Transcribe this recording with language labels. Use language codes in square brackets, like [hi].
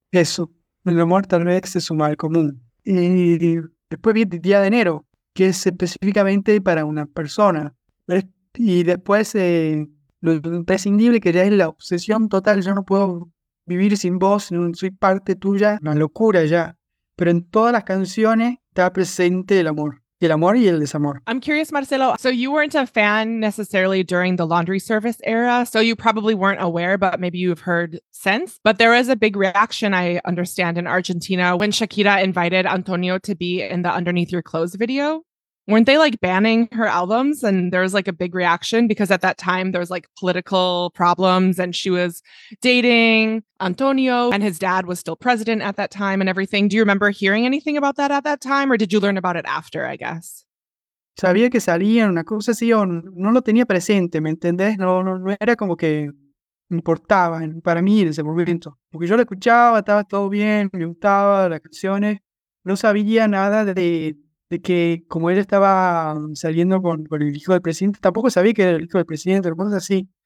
[es] Eso, el amor tal vez es un mal común. Y después viene el día de enero, que es específicamente para una persona. Y después lo imprescindible, que ya es la obsesión total. Yo no puedo vivir sin vos, no soy parte tuya. Una locura ya. Pero en todas las canciones está presente el amor. El amor y el desamor. [en] I'm curious, Marcelo. So you weren't a fan necessarily during the laundry service era, so you probably weren't aware, but maybe you've heard since. But there was a big reaction, I understand, in Argentina when Shakira invited Antonio to be in the Underneath Your Clothes video. Weren't they like banning her albums? And there was like a big reaction because at that time there was like political problems and she was dating Antonio and his dad was still president at that time and everything. Do you remember hearing anything about that at that time or did you learn about it after, I guess? [es] Sabía que salían una cosa así, o no lo tenía presente, ¿me entendés? No era como que importaba para mí en ese momento. Porque yo lo escuchaba, estaba todo bien, me gustaba las canciones. No sabía nada de que como ella estaba saliendo con el hijo del presidente, tampoco sabía que era el hijo del presidente, pero así.